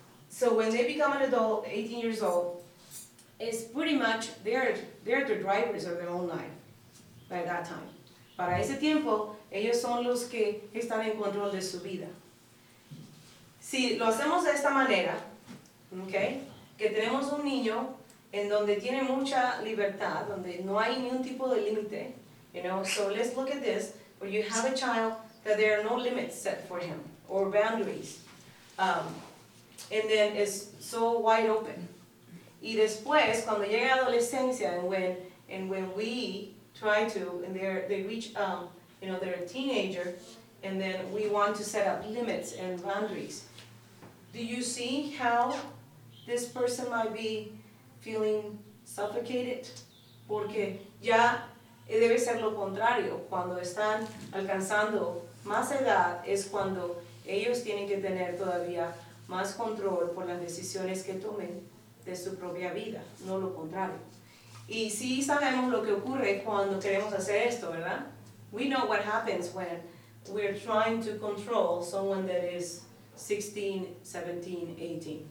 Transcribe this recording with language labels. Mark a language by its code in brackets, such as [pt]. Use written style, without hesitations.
[en] So when they become an adult, 18 years old, it's pretty much, they're the drivers of their own life by that time. [es] Para ese tiempo, ellos son los que están en control de su vida. Si lo hacemos de esta manera, okay, que tenemos un niño en donde tiene mucha libertad, donde no hay ningún tipo de límite, [en] you know, so let's look at this, where you have a child that there are no limits set for him, or boundaries, and then it's so wide open. [es] Y después, cuando llega adolescencia, [en] and when we try to, and they reach, you know, they're a teenager, and then we want to set up limits and boundaries. Do you see how this person might be feeling suffocated? [es] Porque ya debe ser lo contrario. Cuando están alcanzando más edad, es cuando ellos tienen que tener todavía más control por las decisiones que tomen de su propia vida, no lo contrario. Y sí sabemos lo que ocurre cuando queremos hacer esto, ¿verdad? [en] We know what happens when we're trying to control someone that is 16, 17, 18.